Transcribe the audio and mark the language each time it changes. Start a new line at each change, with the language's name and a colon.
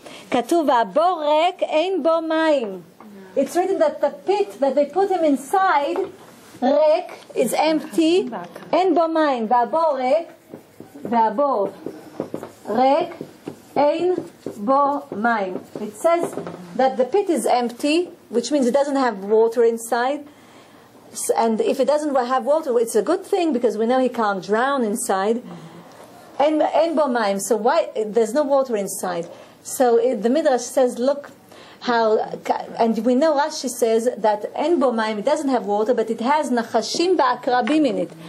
Hebrew: כתוב, והבור ריק, אין בו מים.
English: It's written that the pit that they put him inside, ריק, is empty,
Hebrew: אין בו מים. והבור ריק, והבור ריק, אין בו מים.
English: It says that the pit is empty, which means it doesn't have water inside. And if it doesn't have water, it's a good thing, because we know he can't drown inside.
Hebrew: En bo maim.
English: So why there's no water inside? So the Midrash says, look how, and we know Rashi says that
Hebrew: en bo maim,
English: it doesn't have water, but it has
Hebrew: nachashim ba'akrabim
English: in it.